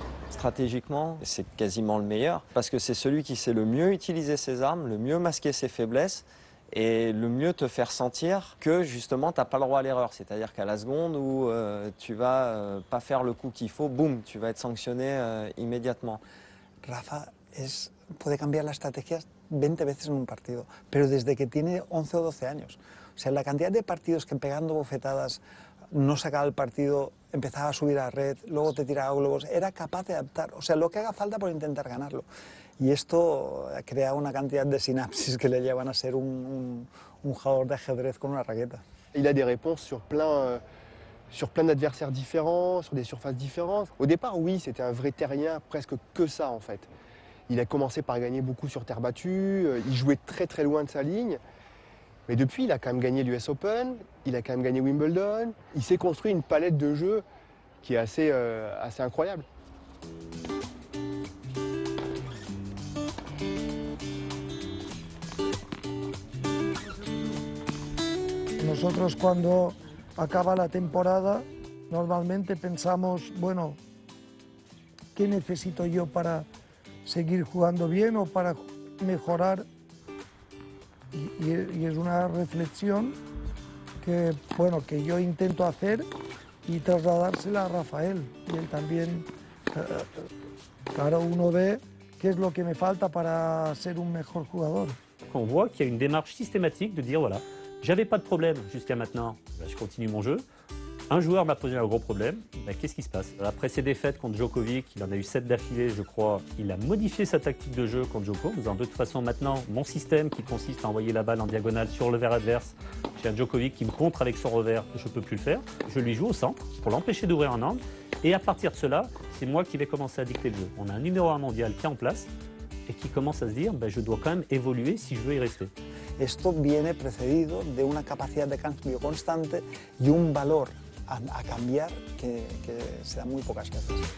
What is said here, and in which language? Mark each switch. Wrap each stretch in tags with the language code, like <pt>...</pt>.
<fr>Stratégiquement, c'est quasiment le meilleur parce que c'est celui qui sait le mieux utiliser ses armes, le mieux masquer ses faiblesses et le mieux te faire sentir que justement t'as pas le droit à l'erreur. C'est-à-dire qu'à la seconde où tu vas pas faire le coup qu'il faut, boum, tu vas être sanctionné immédiatement. Rafa peut changer la stratégie</fr> <es>20 veces en un partido, pero desde que tiene 11 o 12 años. O sea, la cantidad de partidos que pegando bofetadas no sacaba el partido, empezaba a subir a red, luego te tiraba globos, era capaz de adaptar, o sea, lo que haga falta por intentar ganarlo. Y esto crea una cantidad de sinapsis que le llevan a ser un jugador de ajedrez con una raqueta.</es> <fr>Il a des réponses sur plein d'adversaires différents, sur des surfaces différentes. Au départ, oui, c'était un vrai terrien, presque que ça en fait. Il a commencé par gagner beaucoup sur terre battue, il jouait très très loin de sa ligne. Mais depuis, il a quand même gagné l'US Open, il a quand même gagné Wimbledon. Il s'est construit une palette de jeux qui est assez incroyable.</fr> <es>Nosotros cuando acaba la temporada, normalmente pensamos, bueno, ¿qué necesito yo para seguir jugando bien o para mejorar? Y es una reflexión que, bueno, que yo intento hacer y trasladársela a Rafael. Y él también, claro, uno ve qué es lo que me falta para ser un mejor jugador.</es> <fr>On voit qu'il y a une démarche systématique de dire, voilà, j'avais pas de problème jusqu'à maintenant, là, je continue mon jeu. Un joueur m'a posé un gros problème, ben, qu'est-ce qui se passe? Après ses défaites contre Djokovic, il en a eu 7 d'affilée, je crois, il a modifié sa tactique de jeu contre Djokovic, en disant, de toute façon, maintenant, mon système qui consiste à envoyer la balle en diagonale sur le revers adverse, j'ai un Djokovic qui me contre avec son revers, je ne peux plus le faire, je lui joue au centre pour l'empêcher d'ouvrir un angle, et à partir de cela, c'est moi qui vais commencer à dicter le jeu. On a un numéro 1 mondial qui est en place, et qui commence à se dire, ben, je dois quand même évoluer si je veux y rester.</fr> <es>Esto viene precedido de una capacidad de cambio constante y un valor a cambiar que se da muy pocas veces.</es>